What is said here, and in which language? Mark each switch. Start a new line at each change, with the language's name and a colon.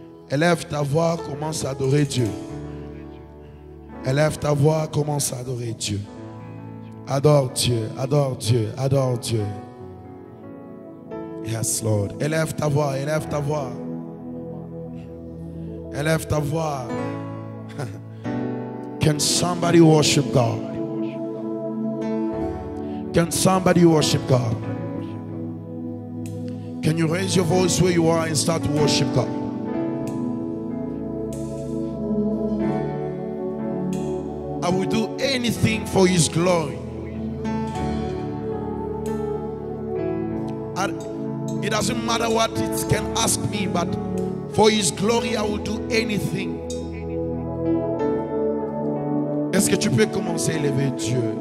French: Élève ta voix, commence à adorer Dieu. Élève ta voix, commence à adorer Dieu. Adore Dieu, adore Dieu, adore Dieu.
English: Yes, Lord.
French: Élève ta voix, élève ta voix. Élève ta voix.
English: Can somebody worship God? Can somebody worship God? Can you raise your voice where you are and start to worship God? I will do anything for His glory. It doesn't matter what it can ask me, but for His glory I will do anything.
French: Est-ce que tu peux commencer à élever Dieu?